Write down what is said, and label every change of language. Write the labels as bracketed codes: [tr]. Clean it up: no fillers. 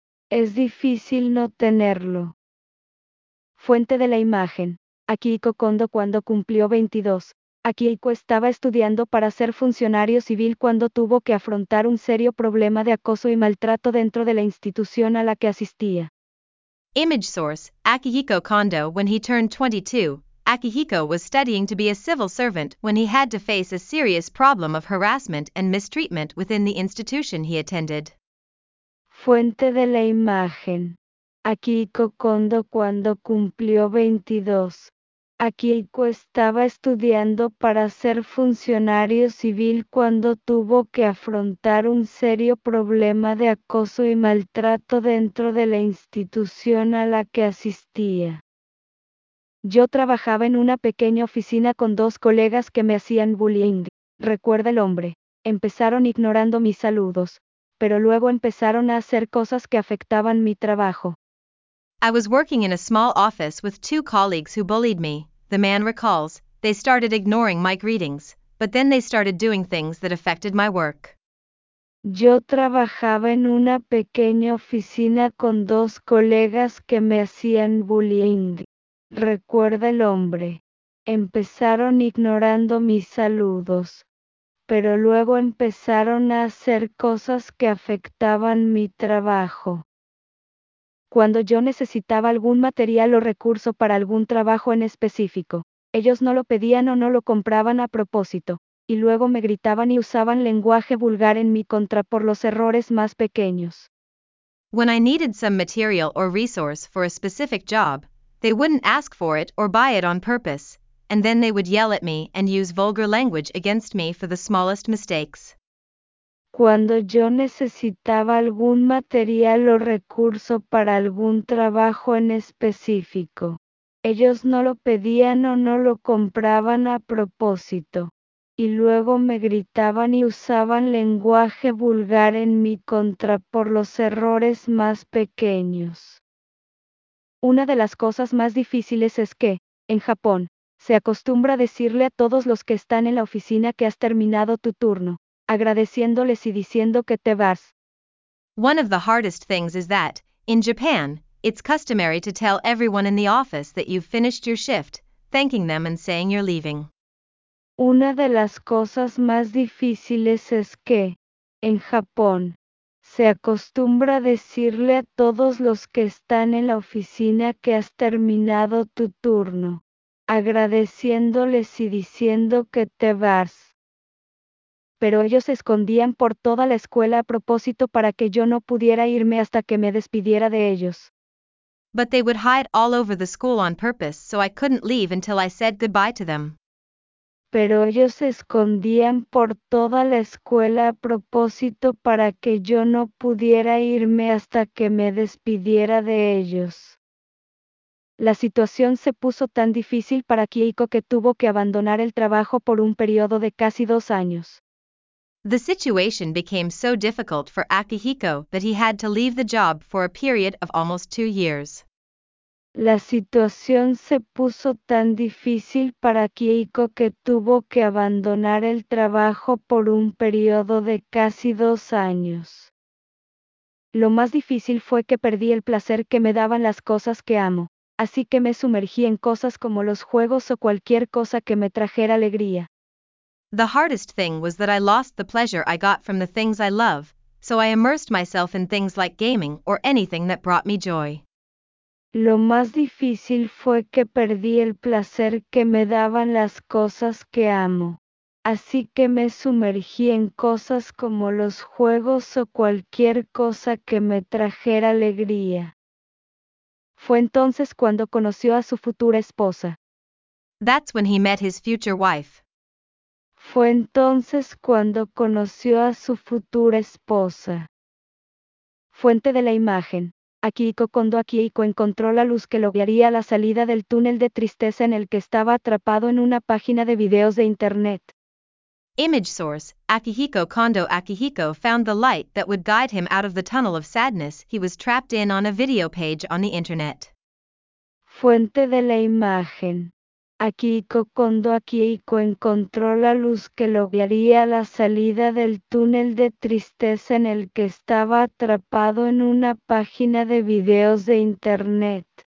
[es] Es difícil no tenerlo. Fuente de la imagen. Akihiko Kondo cuando cumplió 22. Akihiko estaba estudiando para ser funcionario civil cuando tuvo que afrontar un serio problema de acoso y maltrato dentro de la institución a la que asistía. [en] Image source, Akihiko Kondo. When he turned 22, Akihiko was studying to be a civil servant when he had to face a serious problem of harassment and mistreatment within the institution he attended. [es] Fuente de la imagen. Akihiko Kondo cuando cumplió 22. Akihiko estaba estudiando para ser funcionario civil cuando tuvo que afrontar un serio problema de acoso y maltrato dentro de la institución a la que asistía. Yo trabajaba en una pequeña oficina con dos colegas que me hacían bullying, recuerda el hombre. Empezaron ignorando mis saludos, pero luego empezaron a hacer cosas que afectaban mi trabajo. [en] I was working in a small office with two colleagues who bullied me, the man recalls. They started ignoring my greetings, but then they started doing things that affected my work. [es] Yo trabajaba en una pequeña oficina con dos colegas que me hacían bullying. Recuerda el hombre. Empezaron ignorando mis saludos, pero luego empezaron a hacer cosas que afectaban mi trabajo. Cuando yo necesitaba algún material o recurso para algún trabajo en específico, ellos no lo pedían o no lo compraban a propósito, y luego me gritaban y usaban lenguaje vulgar en mi contra por los errores más pequeños. [en] When I needed some material or resource for a specific job, they wouldn't ask for it or buy it on purpose, and then they would yell at me and use vulgar language against me for the smallest mistakes. [es] Cuando yo necesitaba algún material o recurso para algún trabajo en específico, ellos no lo pedían o no lo compraban a propósito, y luego me gritaban y usaban lenguaje vulgar en mi contra por los errores más pequeños. Una de las cosas más difíciles es que, en Japón, se acostumbra a decirle a todos los que están en la oficina que has terminado tu turno, agradeciéndoles y diciendo que te vas. [en] One of the hardest things is that, in Japan, It's customary to tell everyone in the office that you've finished your shift, thanking them and saying you're leaving. [es] Una de las cosas más difíciles es que, en Japón, se acostumbra a decirle a todos los que están en la oficina que has terminado tu turno, agradeciéndoles y diciendo que te vas. Pero ellos se escondían por toda la escuela a propósito para que yo no pudiera irme hasta que me despidiera de ellos. [en] But they would hide all over the school on purpose so I couldn't leave until I said goodbye to them. [es] Pero ellos se escondían por toda la escuela a propósito para que yo no pudiera irme hasta que me despidiera de ellos. La situación se puso tan difícil para Kiiko que tuvo que abandonar el trabajo por un periodo de casi 2 años. [en] The situation became so difficult for Akihiko that he had to leave the job for a period of almost 2 years. [es] La situación se puso tan difícil para Kiiko que tuvo que abandonar el trabajo por un periodo de casi 2 años. Lo más difícil fue que perdí el placer que me daban las cosas que amo, así que me sumergí en cosas como los juegos o cualquier cosa que me trajera alegría. [en] The hardest thing was that I lost the pleasure I got from the things I love, so I immersed myself in things like gaming or anything that brought me joy. [es] Lo más difícil fue que perdí el placer que me daban las cosas que amo, así que me sumergí en cosas como los juegos o cualquier cosa que me trajera alegría. Fue entonces cuando conoció a su futura esposa. [en] That's when he met his future wife. [es] Fue entonces cuando conoció a su futura esposa. Fuente de la imagen. Akihiko Kondo. Akihiko encontró la luz que lo guiaría a la salida del túnel de tristeza en el que estaba atrapado en una página de videos de internet. [en] Image source. Akihiko Kondo. Akihiko found the light that would guide him out of the tunnel of sadness he was trapped in on a video page on the internet. [es] Fuente de la imagen. Akihiko Kondo. Akihiko encontró la luz que lo guiaría a la salida del túnel de tristeza en el que estaba atrapado en una página de videos de internet.